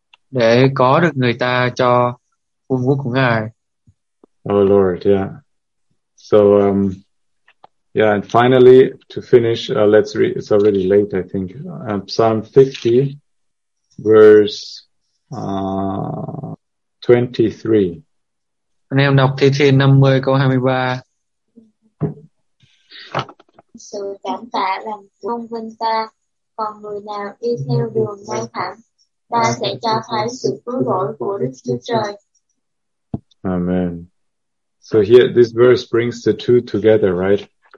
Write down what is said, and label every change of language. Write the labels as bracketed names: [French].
[Vietnamese] Để có được người ta cho vương quốc của Ngài. [English] Oh Lord, yeah. So, and finally, to finish, let's read, it's already late, I think. Psalm 50, verse 23. [Vietnamese] Anh em đọc Thi Thiên 50, câu 23. Sự cảm tạ làm công vinh ta. Còn người nào đi theo đường ngay thẳng, ta sẽ cho thấy sự cứu rỗi của Đức Chúa Trời. [English] Amen. So here, this verse brings the two together, right?